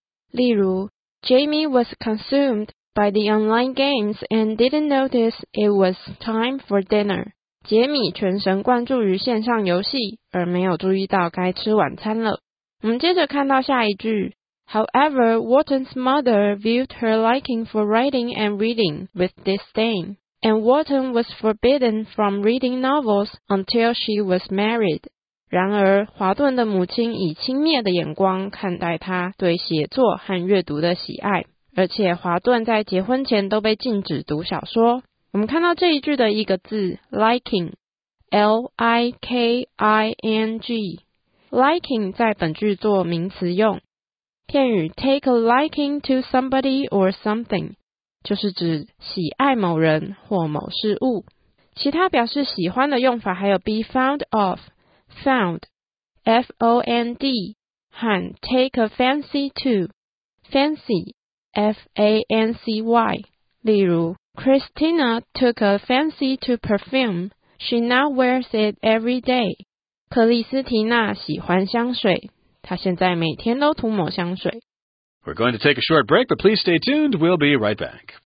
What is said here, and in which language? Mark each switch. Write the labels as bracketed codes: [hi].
[zh] 例如 [en] Jamie was consumed by the online games and didn't notice it was time for dinner. [zh] 杰米全神贯注于线上游戏，而没有注意到该吃晚餐了。我们接着看到下一句。 [en] However, Wharton's mother viewed her liking for writing and reading with disdain, and Wharton was forbidden from reading novels until she was married. [zh] 然而，华顿的母亲以轻蔑的眼光看待她对写作和阅读的喜爱，而且华顿在结婚前都被禁止读小说。我们看到这一句的一个字 liking, L-I-K-I-N-G, liking 在本句做名词用。片语 [en] take a liking to somebody or something [zh] 就是指喜爱某人或某事物。其他表示喜欢的用法还有 [en] be fond of, [zh] found, F-O-N-D 和 [en] take a fancy to, [zh] fancy, F-A-N-C-Y。例如 [en] Christina took a fancy to perfume, she now wears it every day。 [zh] 克里斯提娜喜欢香水，他现在每天都涂抹香水。 [en] We're going to take a short break, but please stay tuned. We'll be right back.